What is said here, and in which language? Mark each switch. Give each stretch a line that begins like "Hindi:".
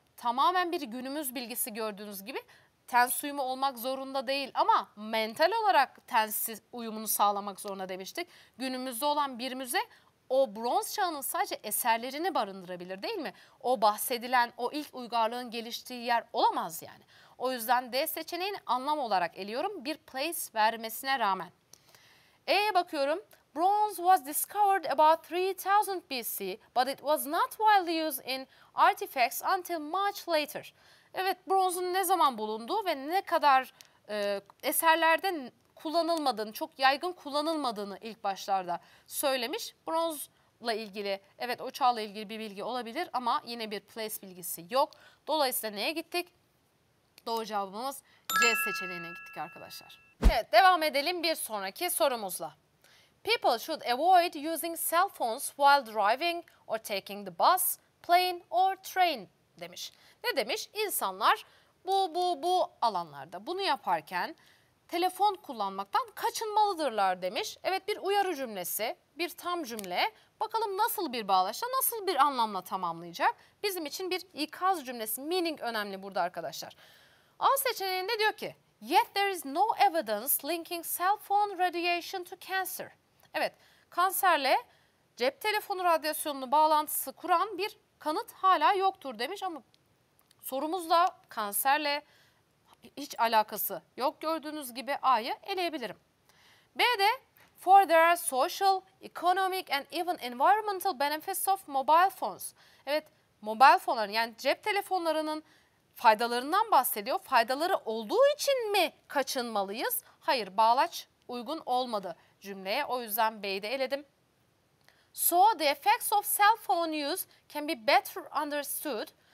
Turkish: Tamamen bir günümüz bilgisi gördüğünüz gibi tense uyumu olmak zorunda değil ama mental olarak tense uyumunu sağlamak zorunda demiştik. Günümüzde olan bir müze o bronz çağının sadece eserlerini barındırabilir değil mi? O bahsedilen o ilk uygarlığın geliştiği yer olamaz yani. O yüzden D seçeneğini anlam olarak eliyorum bir place vermesine rağmen. E'ye bakıyorum.
English: Bronze was discovered about 3000 BC but it was not widely used in artifacts until much later.
Turkish: Evet bronzun ne zaman bulunduğu ve ne kadar eserlerde kullanılmadığını, çok yaygın kullanılmadığını ilk başlarda söylemiş. Bronzla ilgili, evet o çağla ilgili bir bilgi olabilir ama yine bir place bilgisi yok. Dolayısıyla neye gittik? Doğru cevabımız C seçeneğine gittik arkadaşlar. Evet, devam edelim bir sonraki sorumuzla.
English: People should avoid using cell phones while driving or taking the bus, plane or train demiş.
Turkish: Ne demiş? İnsanlar bu alanlarda bunu yaparken telefon kullanmaktan kaçınmalıdırlar demiş. Evet, bir uyarı cümlesi, bir tam cümle. Bakalım nasıl bir bağlaçla, nasıl bir anlamla tamamlayacak? Bizim için bir ikaz cümlesi, meaning önemli burada arkadaşlar. A seçeneğinde diyor ki,
English: yet there is no evidence linking cell phone radiation to cancer.
Turkish: Evet, kanserle cep telefonu radyasyonunu bağlantısı kuran bir kanıt hala yoktur demiş ama sorumuz da kanserle hiç alakası yok gördüğünüz gibi A'yı eleyebilirim.
English: B'de for there are social, economic and even environmental benefits of mobile phones.
Turkish: Evet, mobile phone'ların yani cep telefonlarının faydalarından bahsediyor. Faydaları olduğu için mi kaçınmalıyız? Hayır, bağlaç uygun olmadı cümleye. O yüzden B'yi de eledim.
English: So the effects of cell phone use can be better understood.